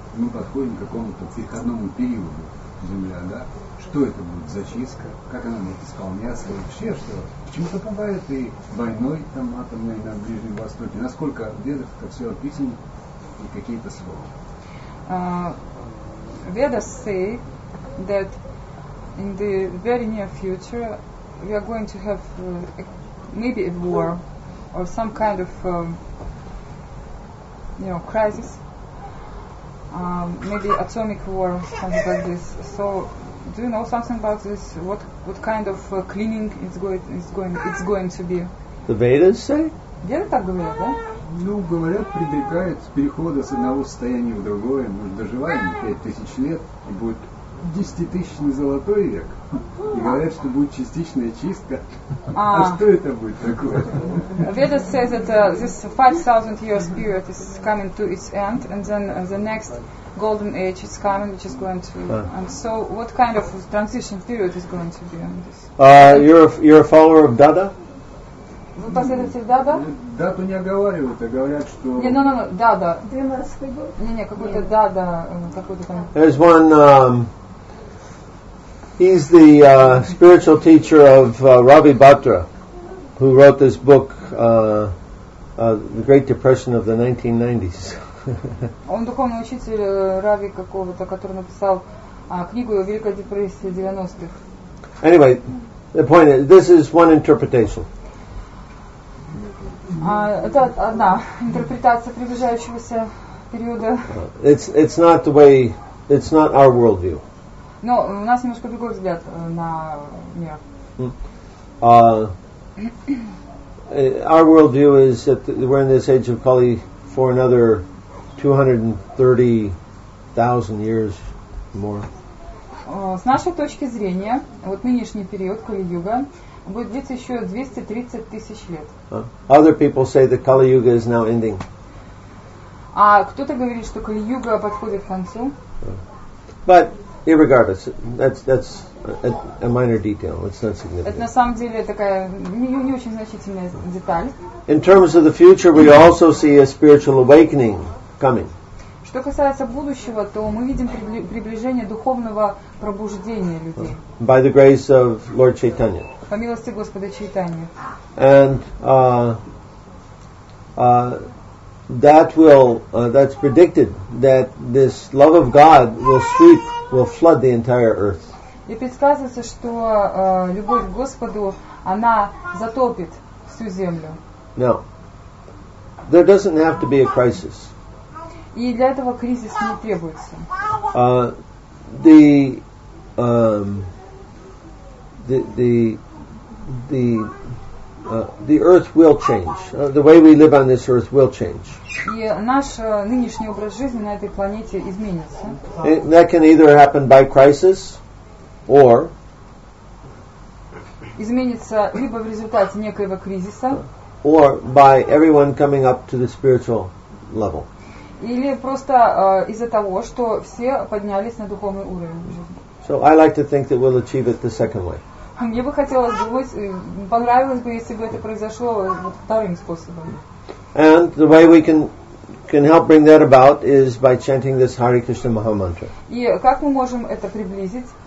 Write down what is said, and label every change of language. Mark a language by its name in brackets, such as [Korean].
[Russian] Мы подходим к какому-то переходному периоду Земля, да? Что это будет за чистка? Как она будет исполняться? Вообще, что? Почему-то пугает и войной там атомной на Ближнем Востоке. Насколько в ведах это все описано и какие-то слова? [English] Vedas say that in the very near future we are going to have maybe a war. Or some kind of, crisis, maybe atomic war, something like this. So, do you know something about this? What kind of cleaning it's going to be? The Vedas say. [Russian] Где-то так говорят, да? Ну, говорят, предрекают перехода с одного состояния в другое. Мы доживаем 5000 лет, и будет 10-тысячный золотой век. И говорят, что будет частичная чистка. А что это будет такое? [English] Vedas say that this 5000 year period is coming to its end, and then the next golden age is coming, which is going to. And so, what kind of transition period is going to be on this? You're a follower of Dada? [Russian] Вы последователь Дада? Дату не оговаривают, а говорят, что. Не, ну, Дада. 12-й год. Не, какой-то Дада, какой-то там. [English] There's one. He's the spiritual teacher of Ravi Bhatra, who wrote this book, The Great Depression of the 1990s. [Russian] Он духовный учитель Рави какого-то, который написал книгу о Великой депрессии 90-х. [English] Anyway, the point is, this is one interpretation. [Russian] Это одна интерпретация приближающегося периода. [English] It's not the way, it's not our worldview. [Russian] Но у нас немножко другой взгляд на мир. [English] Our worldview is that we're in this age of Kali for another 230,000 years more. [Russian] С нашей точки зрения, вот нынешний период Кали-Юга будет длиться еще 230 тысяч лет. [English] Other people say that Kali-Yuga is now ending. [Russian] А кто-то говорит, что Кали-Юга подходит к концу. [English] But irregardless, that's a minor detail. It's not significant. [Russian] Это на самом деле такая не очень значительная деталь. [English] In terms of the future, we also see a spiritual awakening coming. [Russian] Что касается будущего, то мы видим приближение духовного пробуждения людей. [English] By the grace of Lord Chaitanya. [Russian] По милости Господа Чайтаньи. [English] And that will that's predicted that this love of God will sweep. Will flood the entire earth. [Russian] И предсказывается, что любовь к Господу, она затопит всю землю. [English] No. There doesn't have to be a crisis. [Russian] И для этого кризис не требуется. [English] The earth will change. The way we live on this earth will change. [Russian] И наш нынешний образ жизни на этой планете изменится. [English] That can either happen by crisis or [Russian] изменится либо в результате некоего кризиса, [English] or by everyone coming up to the spiritual level. [Russian] Или просто из-за того, что все поднялись на духовный уровень жизни. [English] So I like to think that we'll achieve it the second way. [Russian] Мне бы хотелось думать, понравилось бы, если бы это произошло вторым способом. [English] And the way we can help bring that about is by chanting this Hare Krishna Maha Mantra. [Russian] И как мы можем это приблизить?